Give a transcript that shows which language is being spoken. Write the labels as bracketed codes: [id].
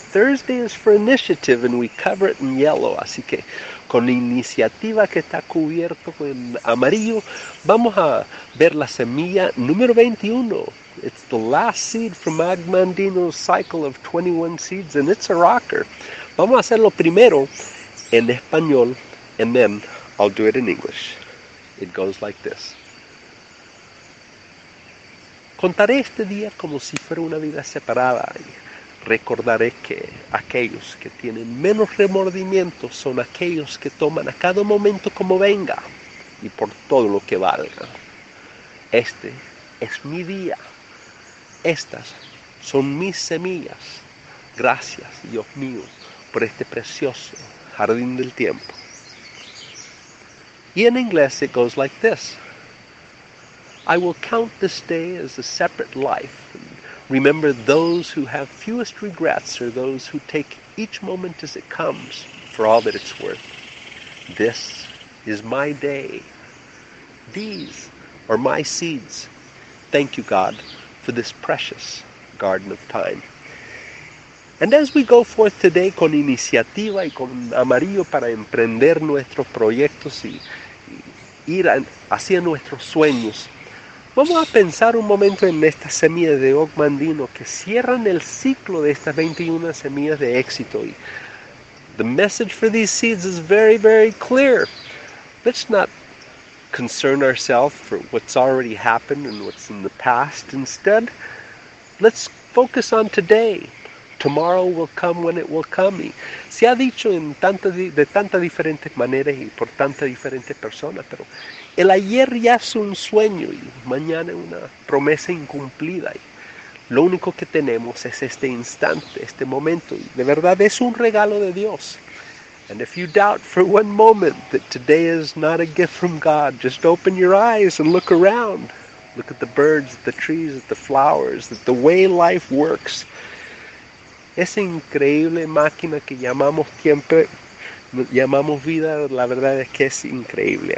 [en] Thursday is for initiative, and we cover it in yellow. [es] Así que, con iniciativa que está cubierto en amarillo, vamos a ver la semilla número 21. [en] It's the last seed from Mag Mandino's cycle of 21 seeds, and it's a rocker. [es] Vamos a hacerlo primero en español, [en] and then I'll do it in English. It goes like this. [es] Contaré este día como si fuera una vida separada y recordaré que aquellos que tienen menos remordimientos son aquellos que toman a cada momento como venga y por todo lo que valga. Este es mi día. Estas son mis semillas. Gracias, Dios mío, por este precioso jardín del tiempo. Y en inglés [en] it goes like this. I will count this day as a separate life. And remember, those who have fewest regrets are those who take each moment as it comes, for all that it's worth. This is my day. These are my seeds. Thank you, God, for this precious garden of time. And as we go forth today [es] con iniciativa y con amarillo para emprender nuestros proyectos y ir hacia nuestros sueños, vamos a pensar un momento en estas semillas de Og Mandino que cierran el ciclo de estas 21 semillas de éxito. [en] Y the message for these seeds is very, very clear. Let's not concern ourselves for what's already happened and what's in the past. Instead, let's focus on today. Tomorrow will come when it will come. [es] Y se ha dicho en de tantas diferentes maneras y por tantas diferentes personas, pero el ayer ya es un sueño y mañana una promesa incumplida. Y lo único que tenemos es este instante, este momento. Y de verdad es un regalo de Dios. [en] And if you doubt for one moment that today is not a gift from God, just open your eyes and look around. Look at the birds, at the trees, at the flowers, at the way life works. [es] Esa increíble máquina que llamamos tiempo, llamamos vida, la verdad es que es increíble.